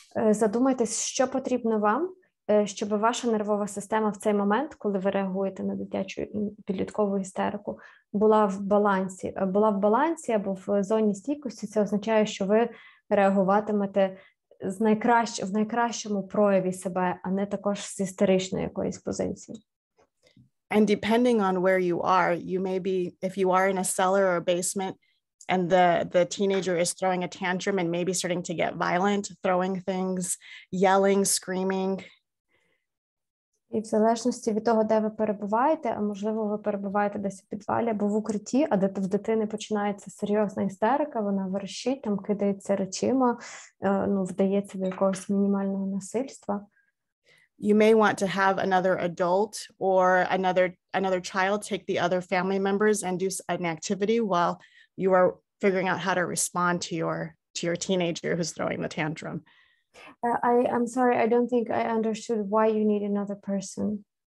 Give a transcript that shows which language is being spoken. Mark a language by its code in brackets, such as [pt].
[uk] Задумайтесь, що потрібно вам, щоб ваша нервова система в цей момент, коли ви реагуєте на дитячу підліткову істерику, була в балансі. Була в балансі або в зоні стійкості, це означає, що ви реагуватимете в найкращому прояві себе, а не також з істеричної якоїсь позиції. [en] And depending on where you are, you may be, if you are in a cellar or a basement and the teenager is throwing a tantrum and maybe starting to get violent, throwing things, yelling, screaming. [uk] І в залежності від того, де ви перебуваєте, а можливо, ви перебуваєте десь у підвалі або в укритті, а де в дитини починається серйозна істерика, вона верещить, там кидається речима, вдається до якогось мінімального насильства. [en] You may want to have another adult or another child take the other family members and do an activity while you are figuring out how to respond to your teenager who's throwing the tantrum. I'm sorry, I don't think I understood why you need another person.